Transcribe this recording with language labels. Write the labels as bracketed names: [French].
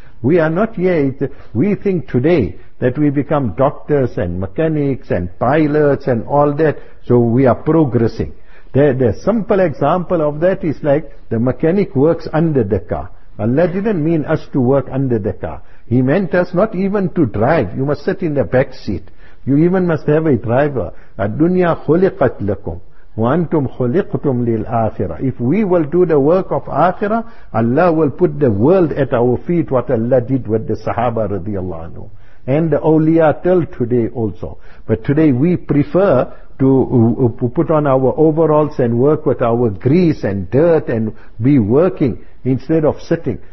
[English] We are not yet. We think today that we become doctors and mechanics and pilots and all that. So we are progressing. The simple example of that is like the mechanic works under the car. Allah didn't mean us to work under the car. He meant us not even to drive. You must sit in the back seat. You even must have a driver. [Arabic] الدنيا خلقت لكم وأنتم خلقتم للآخرة. [English] If we will do the work of Akhirah, Allah will put the world at our feet, what Allah did with the Sahaba [Arabic] رضي الله عنه. [English] And the awliya till today also. But today we prefer to put on our overalls and work with our grease and dirt and be working instead of sitting.